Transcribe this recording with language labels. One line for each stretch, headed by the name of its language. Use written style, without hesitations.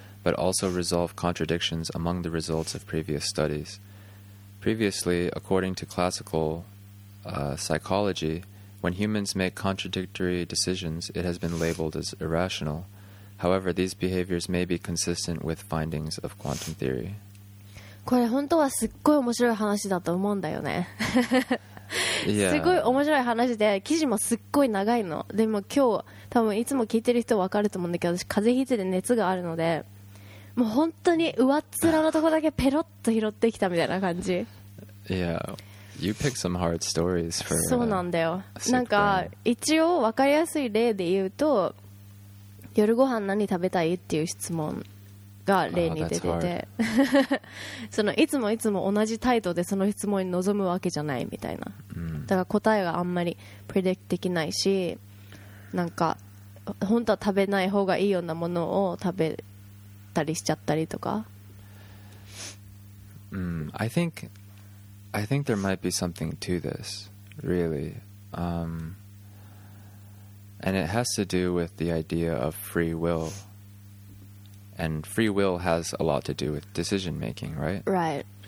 English: but also resolve contradictions among the results of previous studies. Previously, according to classical psychology, when humans make contradictory decisions, it has been labeled as irrational. However, these behaviors may be consistent with findings of quantum theory.
Japanese: これ本当はすっごい面白い話だと思うんだよね。すごい面白い話で、記事もすっごい長いの。でも今日多分いつも聞いてる人は分かると思うんだけど、私風邪ひいてて熱があるので、もう本当に上っ面のとこだけペロッと拾ってきたみたいな感じ。
English: Yeah, you pick some hard stories for.
Japanese: そうなんだよ。なんか一応分かりやすい例で言うと、夜ご飯何食べたいっていう質問が例に出てて、そのいつもいつも同じ態度でその質問に臨むわけじゃないみたいな。だから答えがあんまりプレディクトできないし、なんか本当は食べない方がいいようなものを食べたりしちゃったりとか。
English: I think there might be something to this, really. And it has to do with the idea of free will. And free will has a lot to do with decision making, right? Right.